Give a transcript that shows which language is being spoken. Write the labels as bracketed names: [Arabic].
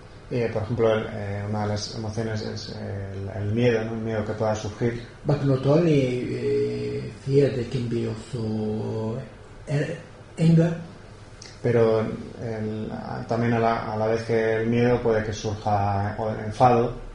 [Spanish] Y, por ejemplo, una de las emociones es el miedo, ¿no? El miedo que pueda surgir. [English] But not only fear, there can be also anger. [Spanish] Pero también a la vez que el miedo puede que surja o el enfado.